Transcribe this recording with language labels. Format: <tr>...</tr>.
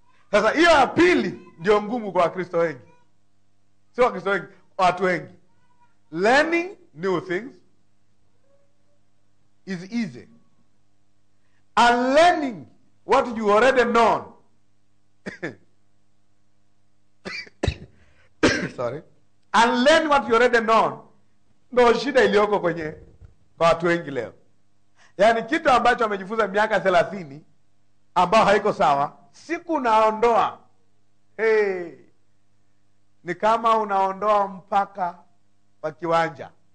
<sw>Sasa hiyo ya pili ndio ngumu kwa Wakristo wengi. Sio Wakristo wengi, watu wengi.</sw> <en>Learning new things is easy. Unlearning what you already know. Sorry. Unlearning what you already know.</en> <sw>Ndio shida iliyoko kwenye kwa watu wengi leo. Yaani kitu ambacho amejifunza miaka 30 ambao haiko sawa, siku naondoa. Hey. Ni kama unaondoa mpaka wa kiwanja.</sw>